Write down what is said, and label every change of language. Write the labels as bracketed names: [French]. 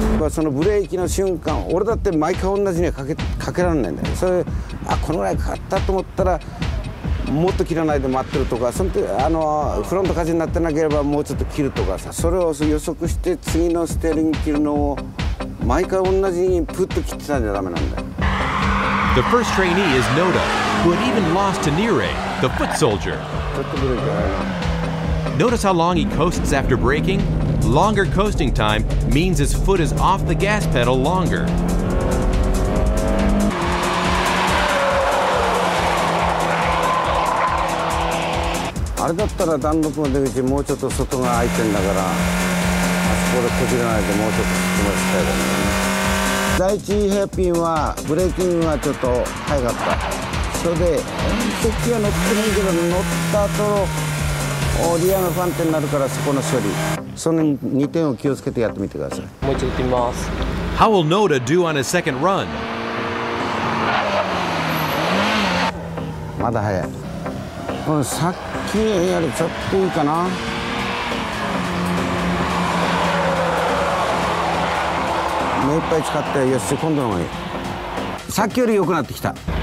[Japanese] そのブレーキの瞬間、俺だって毎回同じにはかけられないんだよ。それ、あ、このぐらいかかったと思ったら、もっと切らないで待ってるとか、そのとあのフロント荷重になってなければもうちょっと切るとかさ、それを予測して次のステアリング切るのを毎回同じにプッと切ってたんじゃダメなんだよ。 [English] The first trainee is Noda, who had even lost to Nire, the foot soldier. [Japanese] ちょっとブレーキがあるな。 [English] Notice how long he coasts after braking? Longer coasting time means his foot is off the gas pedal longer. [Japanese] あれだったらダンロップの出口もうちょっと外が空いてんだから、あそこで閉じらないでもうちょっと進ませたいだろうね。第一ヘアピンはブレーキングがちょっと早かった。それで、こっちは乗ってもいいけど、乗った後オーディアの不安定になるからそこの処理、その2点を気をつけてやってみてください。もう一度行ってみます。 [English] How will Noda do on his second run? [Japanese] まだ早い、さっきやるちょっといいかな。目いっぱい使ってよし、今度の方がいい。さっきより良くなってきた。